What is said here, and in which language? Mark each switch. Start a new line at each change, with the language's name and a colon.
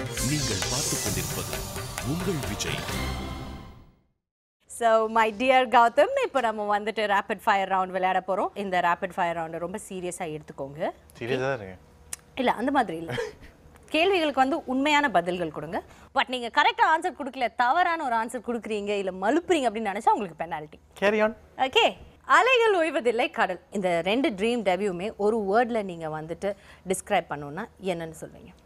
Tamil: நீங்கள் பார்த்துக் கொண்டிருப்பது உங்கள் Vijay.
English: So, my dear Gowtham,
Tamil: இப்போ நம்ம வந்துட்டு rapid fire round விளையாட போறோம். இந்த rapid fire round ரொம்ப சீரியஸா எடுத்துக்கோங்க. சீரியஸா இருக்கு? இல்ல, அந்த மாதிரி இல்ல. கேள்விகளுக்கு வந்து உண்மையான பதில்கள் கொடுங்க. பட் நீங்க கரெக்டா ஆன்சர் கொடுக்கல, தவறான ஒரு ஆன்சர் கொடுக்கறீங்க இல்ல மழுப்புறீங்க அப்படின்னு நினைச்சா உங்களுக்கு பெனால்டி.
English: Carry on. Okay.
Tamil: அலைகள் ஓய்வதில்லை கடல், இந்த ரெண்டு ட்ரீம் டெபியூமே ஒரு வேர்ட்ல நீங்க வந்துட்டு டிஸ்கிரைப் பண்ணணும்னா என்னன்னு சொல்வீங்க?